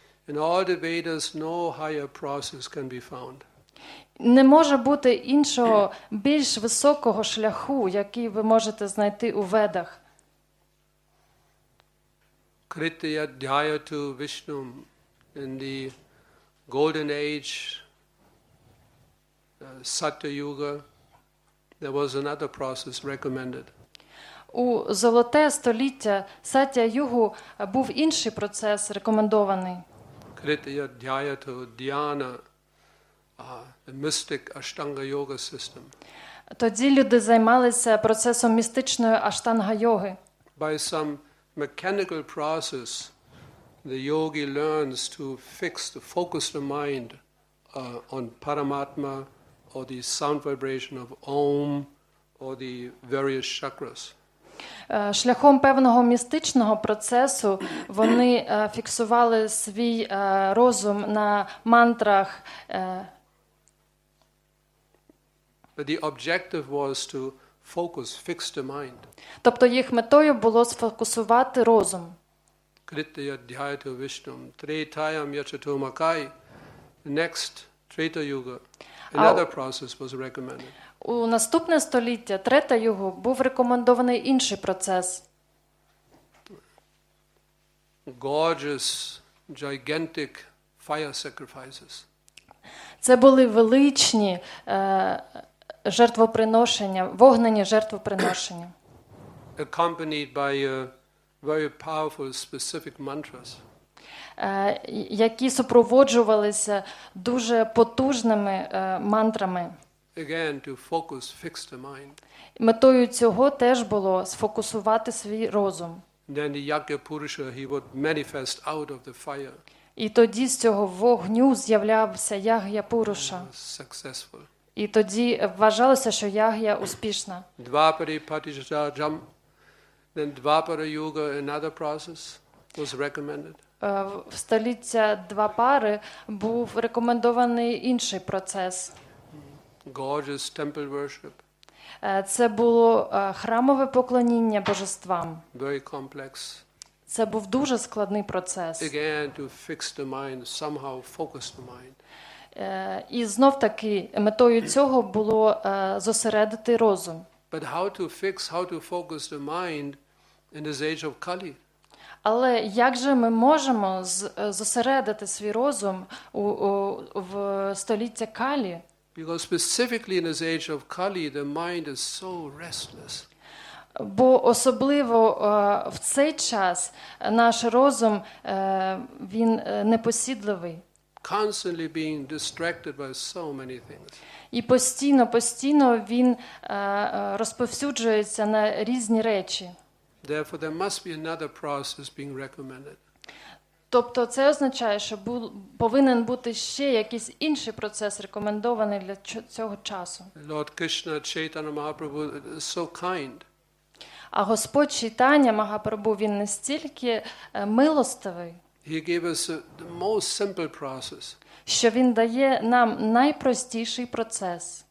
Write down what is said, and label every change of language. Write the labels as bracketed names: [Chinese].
[English] In all the Vedas, no higher process can be found. [Ukrainian] Не може бути іншого більш високого шляху, який ви можете знайти у Ведах. [Sanskrit] Kritya Dhyayatu Vishnum [English] in the Golden Age Satya Yuga, there was another process recommended. [Ukrainian] У золоте століття Сатя Югу був інший процес рекомендований. [Sanskrit] Kritya Dhyayatu Dhyana, [English] the mystic Ashtanga Yoga system. [Ukrainian] Тоді люди займалися процесом містичної Аштанга Йоги. [English] By some mechanical process, the yogi learns to fix, to focus the mind on Paramatma, or the sound vibration of Om, or the various chakras. [Ukrainian] Шляхом певного містичного процесу вони фіксували свій розум на мантрах. [English] But the objective was to focus, fix the mind. [Ukrainian] Тобто їх метою було сфокусувати розум. [Sanskrit] Kṛtya dhyāyato viṣṇum, treṭayam yacchato makai, [English] next treṭa yuga, another process was recommended. [Ukrainian] У наступне століття, третя його, був рекомендований інший процес. [English] Gorgeous, gigantic fire sacrifices. [Ukrainian] Це були величні жертвоприношення, вогнені жертвоприношення. [English] Accompanied by very powerful specific mantras. [Ukrainian] Які супроводжувалися дуже потужними мантрами. [English] Again, to focus, fix the mind. [Ukrainian] Метою цього теж було сфокусувати свій розум. [English] Then the Yajna Purusha, he would manifest out of the fire. [Ukrainian] І тоді з цього вогню з'являвся Ягья Пуруша. [English] Successful. [Ukrainian] І тоді вважалося, що Ягья успішна. [Sanskrit] Двапари Патиштаджам, [English] then Двапара Юга, another process was recommended. [Ukrainian] В століття Двапари був рекомендований інший процес. [English] Gorgeous temple worship. [Ukrainian] Це було храмове поклоніння божествам. [English] Very complex. [Ukrainian] Це був дуже складний процес. [English] Again, to fix the mind, somehow focus the mind. [Ukrainian] І знов таки метою цього було зосередити розум. [English] But how to fix, how to focus the mind in this age of Kali? [Ukrainian] Але як же ми можемо зосередити свій розум в століття Калі? [English] Because specifically in this age of Kali, the mind is so restless. [Ukrainian] Бо особливо в цей час наш розум він непосідливий. [English] Constantly being distracted by so many things. [Ukrainian] І постійно він розповсюджується на різні речі. [English] Therefore, there must be another process being recommended. [Ukrainian] Тобто це означає, що повинен бути ще якийсь інший процес рекомендований для цього часу. [English] Lord Krishna Chaitanya Mahaprabhu is so kind. [Ukrainian] А Господь Чайтанья Махапрабху, він настільки милостивий. [English] He gave us the most simple process. [Ukrainian] Що він дає нам найпростіший процес.